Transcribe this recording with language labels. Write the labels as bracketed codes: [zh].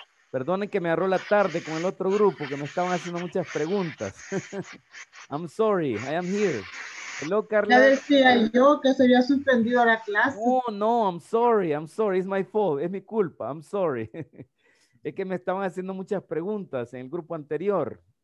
[es] Perdonen que me agarró la tarde con el otro grupo que me estaban haciendo muchas preguntas. [en] I'm sorry, I am here. Hello, Carla. [es] Ya decía yo que se había suspendido la clase. [en] Oh, no, I'm sorry, it's my fault, [es] es mi culpa, [en] I'm sorry. [es] Es que me estaban haciendo muchas preguntas en el grupo anterior.